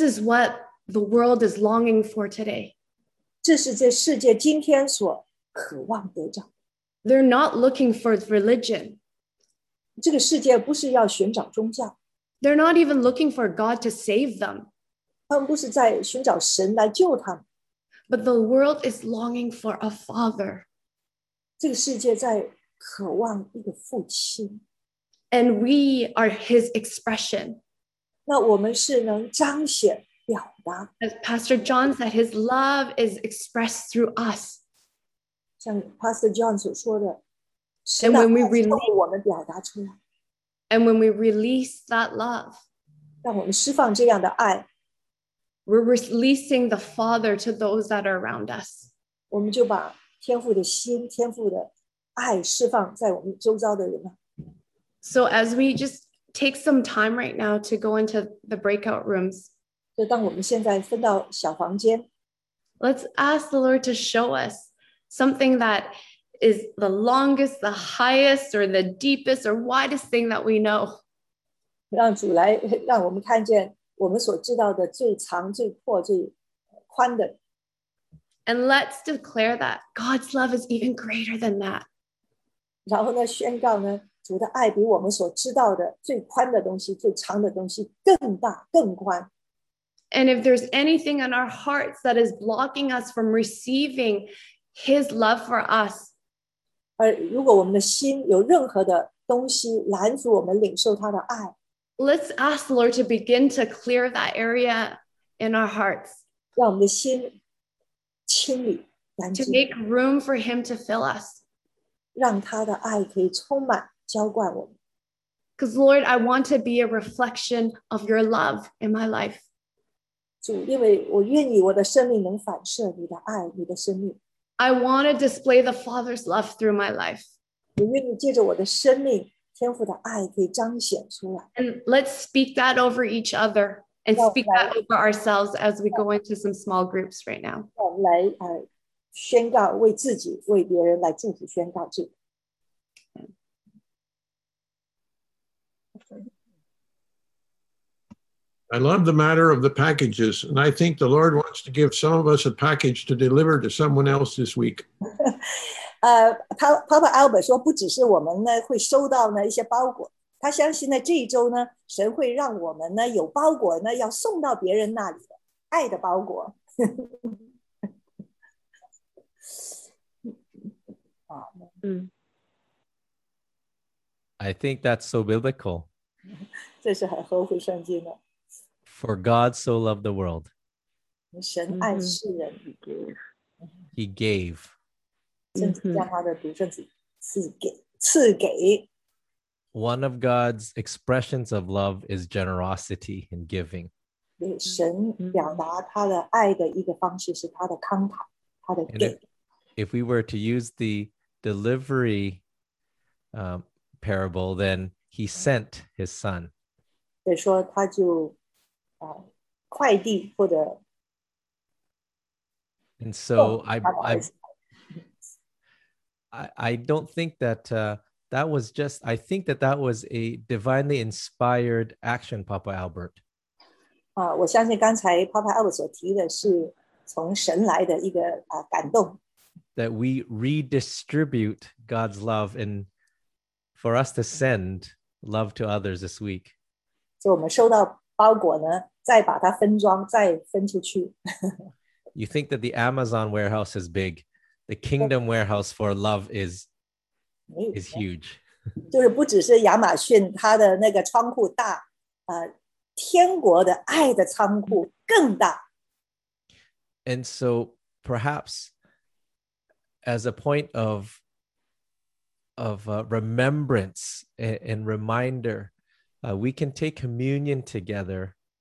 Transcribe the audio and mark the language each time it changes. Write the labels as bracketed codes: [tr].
[en] is what the world is longing for today. [zh] 这是这世界今天所渴望得到。 [en] They're not looking for religion. [zh] 这个世界不是要寻找宗教。 [en] They're not even looking for God to save them. [zh] 他们不是在寻找神来救他们。 [en] But the world is longing for a father. And we are his expression. As Pastor John said, his love is expressed through us. And when we release that love, [zh] 让我们释放这样的爱, [en] we're releasing the Father to those that are around us. So as we just take some time right now to go into the breakout rooms. [zh] 就当我们现在分到小房间。 [en] Let's ask the Lord to show us something that is the longest, the highest, or the deepest, or widest thing that we know. [zh] 让主来让我们看见我们所知道的最长、最阔、最宽的。 [en] And let's declare that God's love is even greater than that. [zh] 然后呢，宣告呢，主的爱比我们所知道的最宽的东西、最长的东西更大、更宽。 [en] And if there's anything in our hearts that is blocking us from receiving His love for us, [zh] 而如果我们的心有任何的东西拦阻我们领受他的爱, [en] let's ask the Lord to begin to clear that area in our hearts. [zh] 让我们的心清理, 拦阻, [en] to make room for Him to fill us. [zh] 让他的爱可以充满, 浇灌我们。 [en] Because Lord, I want to be a reflection of Your love in my life. [zh] 主，因为我愿意我的生命能反射你的爱，你的生命。 [en] I want to display the Father's love through my life. [zh] 我愿意借着我的生命，天父的爱可以彰显出来。 [en] And let's speak that over each other and speak that over ourselves as we go into some small groups right now. [zh] 我们来宣告，为自己，为别人来祝福宣告这个。 [en] I love the matter of the packages, and I think the Lord wants to give some of us a package to deliver to someone else this week. [zh] Papa Albert 说不只是我们呢会收到呢一些包裹，他相信呢这一周呢神会让我们呢有包裹呢要送到别人那里的爱的包裹。 [en] I think that's so biblical. [zh] 这是很合乎圣经的。 [en] For God so loved the world. [zh] 神爱世人。 [en] He gave. [zh] 甚至将他的独生子赐给。 [en] One of God's expressions of love is generosity and giving. [zh] 神表达他的爱的一个方式是他的慷慨，他的给。 [en] If we were to use the delivery parable, then he sent his son. [zh] 所以说他就快递或者 [en] And so I don't think that that was just I think that that was a divinely inspired action, Papa Albert. [zh] 我相信刚才 Papa Albert 所提的是从神来的一个感动 [en] That we redistribute God's love and for us to send love to others this week. [zh] 所以我们收到包裹呢再把它分装，再分出去。 [en] You think that the Amazon warehouse is big, the Kingdom warehouse for love is huge. [zh] 就是不只是亚马逊它的那个仓库大，天国的爱的仓库更大。 [en] And so perhaps as a point of remembrance and reminder, we can take communion together.